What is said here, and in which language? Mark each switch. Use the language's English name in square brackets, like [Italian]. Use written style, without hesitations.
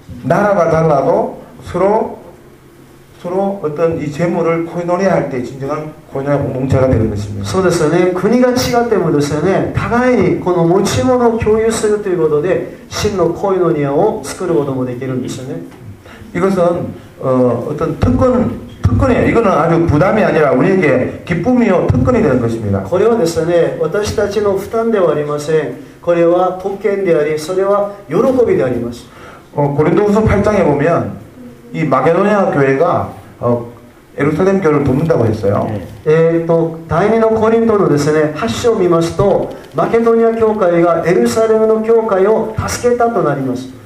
[Korean] 나라가달라도서로어떤이재물을코이노니아할때진정한코이노니아공동체가되는것입니다 [Japanese] そうですね国が違ってもですね互いにこの持ち物を共有するということで真のコイノニアを作ることもできるんですよね。 [Korean] 이것은 어떤특권특권이에요이거는아주부담이아니라우리에게기쁨이요특권이되는것입니다 [Japanese] これはですね私たちの負担ではありません。これは特権でありそれは喜びであります。 [Korean] 고린도후서8장에보면이마게도니아교회가예루살렘교회를돕는다고했어요 [Japanese] 第二の고린도のですね8章を見ますと [Korean] 마케도니아교회가예루살렘의교회 [Japanese] を助けたとなります。